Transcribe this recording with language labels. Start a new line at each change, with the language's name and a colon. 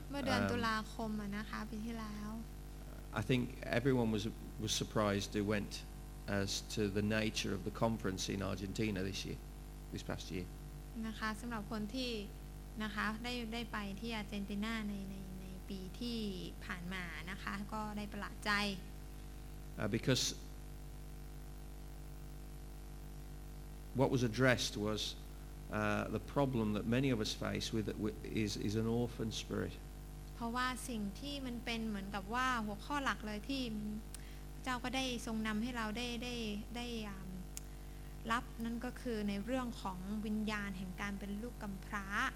Thai: เมื่อเดือนตุลาคมอะนะคะปีที่แล้ว
English: I think everyone was surprised who went as to the nature of the conference in Argentina this past year.
Thai: นะคะสำหรับคนที่นะคะได้ไปที่อาร์เจนตินาในปีที่ผ่านมานะคะก็ได้ประหลาดใจ
English: Because what was addressed was the problem that many of us face with is an orphan spirit.
Thai: เพราะว่าสิ่งที่มันเป็นเหมือนกับว่าหัวข้อหลักเลยที่พระเจ้าก็ได้ทรงนำให้เราได้รับนั่นก็คือในเรื่องของวิญญาณแห่งการเป็นลูกกำพร้า